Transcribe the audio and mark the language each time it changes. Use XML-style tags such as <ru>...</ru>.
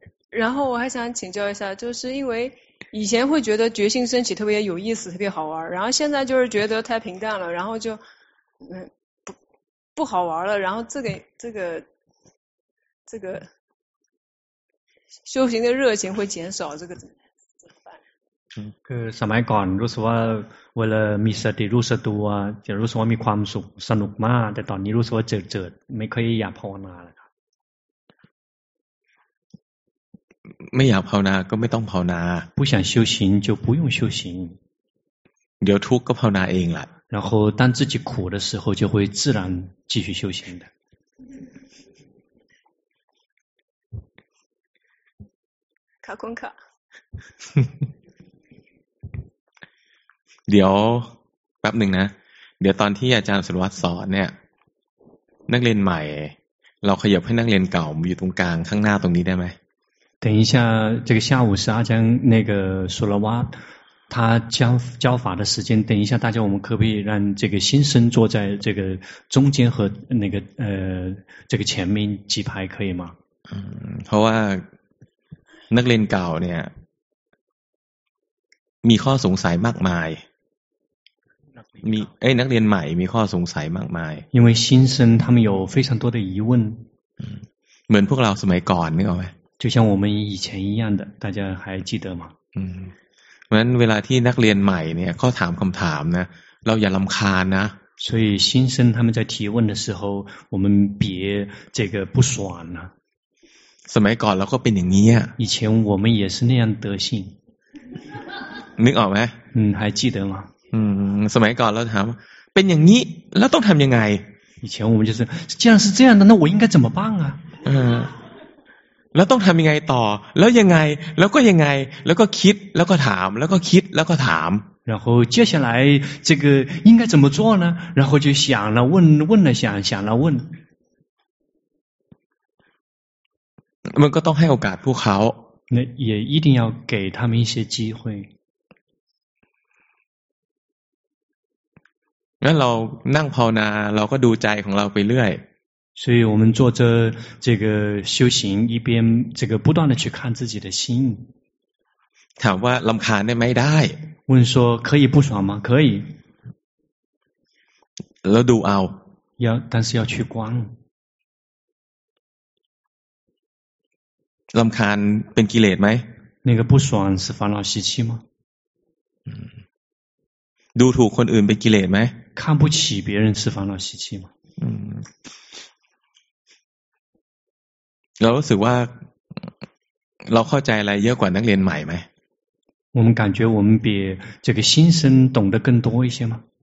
<zh>然后我还想请教一下，就是因为以前会觉得决心升起特别有意思，特别好玩，然后现在就是觉得太平淡了，然后就不好玩了，然后这个修行的热情会减少，这个怎么办？</zh> <th>คือสมัยก่อนรู้สึกว่าเวลามีสติรู้สึกตัวจะรู้สึกว่ามีความสุขสนุกมากแต่ตอนนี้รู้สึกว่าเจิดๆไม่ค่อยอยากภาวนาแล้วครับ ไม่อยากภาวนาก็ไม่ต้องภาวนา</th> <zh>不想修行就不用修行</zh> <th>เดี๋ยวทุกข์ก็ภาวนาเองแหละ</th> <zh>然后当自己苦的时候就会自然继续修行的卡坤卡</zh> <th>เดี๋ยวแป๊บหนึ่งนะเดี๋ยวตอนที่อาจารย์สุรวัตรสอนเนี่ยนักเรียนใหม่เราขยับให้นักเรียนเก่าอยู่ตรงกลางข้างหน้าตรงนี้ได้ไหม</th> <zh>等一下这个下午是阿江那个苏拉瓦他教法的时间等一下大家我们可不可以让这个新生坐在这个中间和那个这个前面几排可以吗</zh> <th>เพราะว่านักเรียนเก่าเนี่ยมีข้อสงสัยมากมายมีเอ้ยนักเรียนใหม่มีข้อสงสัยมากมาย</th> <zh>因为新生他们有非常多的疑问</zh> <th>เหมือนพวกเราสมัยก่อนนึกออกไหม</th> <zh>就像我们以前一样的大家还记得吗</zh> <th>เพราะฉะนั้นเวลาที่นักเรียนใหม่เนี่ยเขาถามคำถามนะเราอย่าลำคาญนะ</th> <zh>所以新生他们在提问的时候我们别这个不爽啊</zh> <th>สมัยก่อนเราก็เป็นอย่างนี้</th> <zh>以前我们也是那样德性</zh> <th>นึกออกไหม</th> <zh>还记得吗</zh> <th>สมัยก่อนเราถามเป็นอย่างนี้แล้วต้องทำยังไง</th> <zh>以前我们就是既然是这样的那我应该怎么办啊</zh> <th>แล้วต้องทำยังไงต่อแล้วยังไงแล้วก็ยังไงแล้วก็คิดแล้วก็ถามแล้วก็คิดแล้วก็ถาม</th> <zh>然后接下来这个应该怎么做呢然后就想了问问了想想了问</zh> <th>มันก็ต้องให้โอกาสพวกเขา</th> <zh>那也一定要给他们一些机会</zh> <th>งั้นเรานั่งภาวนาเราก็ดูใจของเราไปเรื่อย</th> <zh>所以我们坐着这个修行一边这个不断的去看自己的心</zh> <th>ถามว่าลำคาญได้ไหมได้</th> <zh>问说可以不爽吗可以</zh> <th>แล้วดูเอา</th> <zh>要但是要去观</zh> <th>ลำคาญเป็นกิเลสไหม</th> <zh>那个不爽是烦恼习气吗</zh> <th>ดูถูกคนอื่นเป็นกิเลสไหม</th> <zh>看不起别人是烦恼习气吗</zh> <th>เรารู้สึกว่าเราเข้าใจอะไรเยอะกว่านักเรียนใหม่ไหม</th> <zh>我们感觉我们比这个新生懂得更多一些吗</zh>